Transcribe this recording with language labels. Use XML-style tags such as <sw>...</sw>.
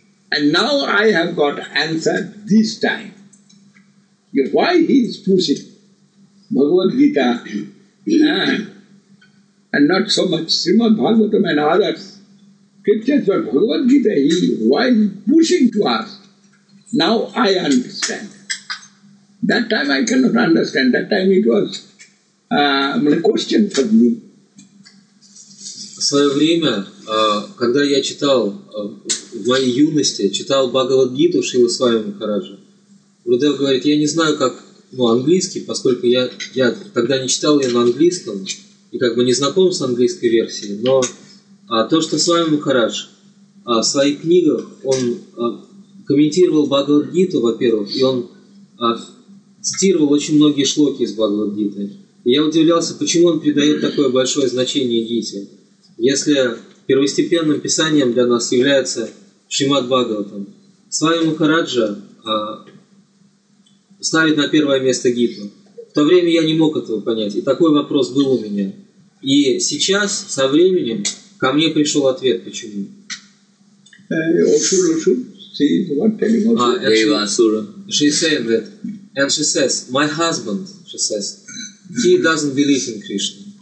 <en>And now I have got answered this time. Why he is pushing Bhagavad Gita and not so much Srimad Bhagavatam and others. Scriptures, but Bhagavad Gita, why is he pushing to us? Now I understand. That time I cannot understand. That time it was a question for me.</en> <ru>В свое время, когда я читал, в моей юности, читал Бхагавад-гиту Шрилы с вами Махараджа, Гурудев говорит, я не знаю, как, ну, английский, поскольку я тогда не читал ее на английском и как бы не знаком с английской версией, но то, что с вами Махарадж в своих книгах, он комментировал Бхагавад-гиту, во-первых, и он цитировал очень многие шлоки из Бхагавад-гиты. И я удивлялся, почему он придает такое большое значение гите. Если первостепенным писанием для нас является Шримад Бхагаватам, Свами Махараджа ставит на первое место Гиту. В то время я не мог этого понять, и такой вопрос был у меня. И сейчас, со временем, ко мне пришел ответ, почему.</ru> <en>She said that, and she says, my husband, she says, he doesn't believe in Krishna.</en>